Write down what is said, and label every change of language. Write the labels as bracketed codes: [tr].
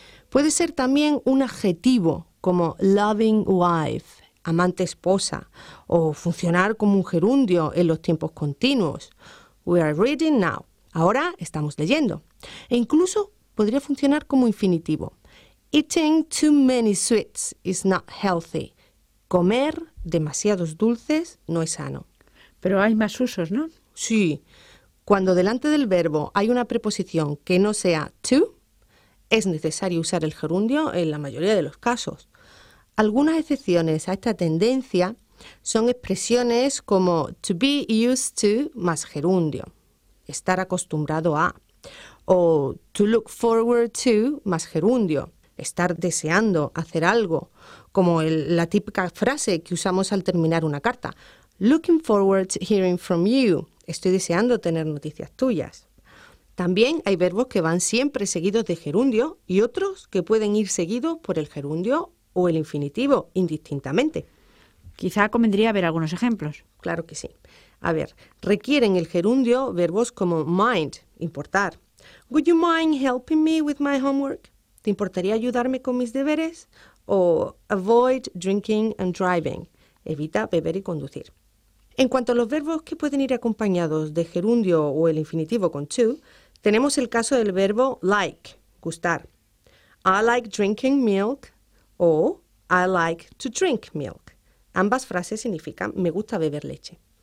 [es] Puede ser también un adjetivo, como [en] loving wife, [es] amante esposa, o funcionar como un gerundio en los tiempos continuos. [en] We are reading now. [es] Ahora estamos leyendo. E incluso podría funcionar como infinitivo. [en] Eating too many sweets is not healthy. [es] Comer demasiados dulces no es sano. Pero hay más usos, ¿no? Sí. Cuando delante del verbo hay una preposición que no sea to, es necesario usar el gerundio en la mayoría de los casos. Algunas excepciones a esta tendencia son expresiones como to be used to más gerundio, estar acostumbrado a, o to look forward to más gerundio, estar deseando hacer algo, como la típica frase que usamos al terminar una carta, [en] looking forward to hearing from you, [es] estoy deseando tener noticias tuyas. También hay verbos que van siempre seguidos de gerundio y otros que pueden ir seguidos por el gerundio o el infinitivo, indistintamente. Quizá convendría ver algunos ejemplos. Claro que sí. A ver, requieren el gerundio verbos como mind, importar. [en] Would you mind helping me with my homework? [es] ¿Te importaría ayudarme con mis deberes? [en] O avoid drinking and driving. [es] Evita beber y conducir. En cuanto a los verbos que pueden ir acompañados de gerundio o el infinitivo con to, tenemos el caso del verbo like, gustar. [en] I like drinking milk. O, I like to drink milk. [es] Ambas frases significan me gusta beber leche.